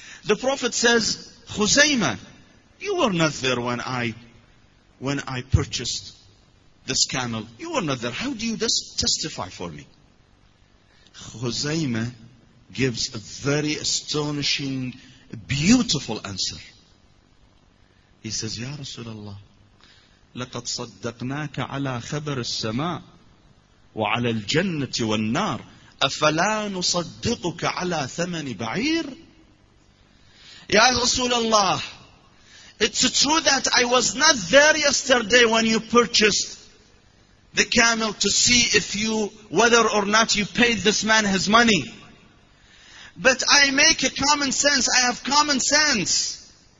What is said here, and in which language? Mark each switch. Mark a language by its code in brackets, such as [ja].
[en] The Prophet says, Khuzaymah, you were not there when I purchased this camel. You were not there. How do you testify for me? Khuzaymah gives a very astonishing, beautiful answer. He says, [ar] Ya Rasulullah, لَقَدْ صَدَّقْنَاكَ عَلَىٰ خَبَرِ السَّمَاءِ وَعَلَىٰ الْجَنَّةِ وَالنَّارِ أَفَلَا نُصَدِّقُكَ عَلَىٰ ثَمَنِ بَعِيرٍ. [en] Ya Rasulullah, it's true that I was not there yesterday when you purchased the camel to see if you, whether or not you paid this man his money. But I make a common sense. I have common sense.